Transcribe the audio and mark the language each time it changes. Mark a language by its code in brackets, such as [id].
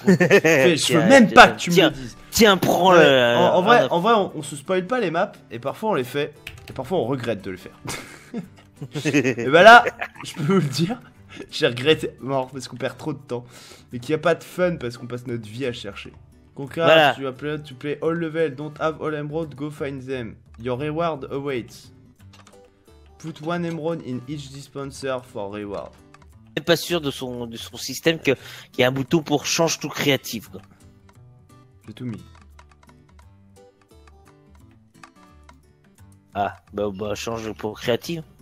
[fr] Je veux même pas que tu me le dises. Tiens, prends ouais, le. En vrai, on se spoil pas les maps et parfois on les fait et parfois on regrette de le faire. Et bah ben là, je peux vous le dire. J'ai regretté mort parce qu'on perd trop de temps et qu'il n'y a pas de fun parce qu'on passe notre vie à chercher. Concrètement, voilà. [en] Tu play all level, don't have all emerald, go find them. Your reward awaits. Put one emerald in each dispenser for reward. [fr] Je suis pas sûr de son système qu'il y a un bouton pour change tout créatif. J'ai tout mis. Ah, bah change pour créatif.